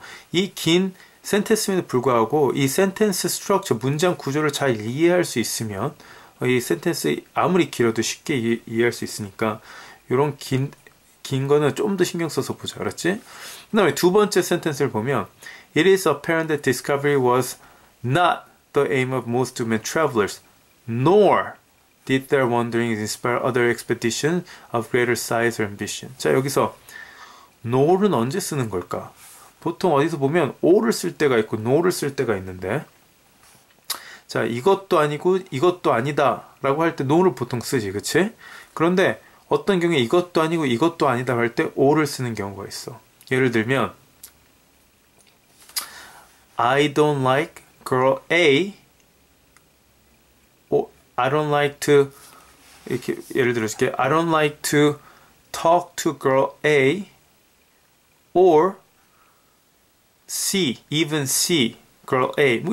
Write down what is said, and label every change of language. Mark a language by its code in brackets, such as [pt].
[ko] 이긴 센텐스임에도 불구하고 이 센텐스 스트럭처 문장 구조를 잘 이해할 수 있으면 이 센텐스 아무리 길어도 쉽게 이해할 수 있으니까 요런 긴긴 거는 좀더 신경 써서 보자. 알았지? [en] 그다음에 두 번째 센텐스를 보면 It is apparent that discovery was not the aim of most human travelers nor did their wanderings inspire other expeditions of greater size or ambition. [ko] 자, 여기서 nor은 언제 쓰는 걸까? 보통 어디서 보면 or을 쓸 때가 있고 no를 쓸 때가 있는데 자 이것도 아니고 이것도 아니다 라고 할때 no를 보통 쓰지 그치? 그런데 어떤 경우에 이것도 아니고 이것도 아니다 할때 or을 쓰는 경우가 있어 예를 들면 [en] I don't like girl A I don't like to [ko] 이렇게 예를 들어줄게 [en] I don't like to talk to girl A or See, even see, girl A.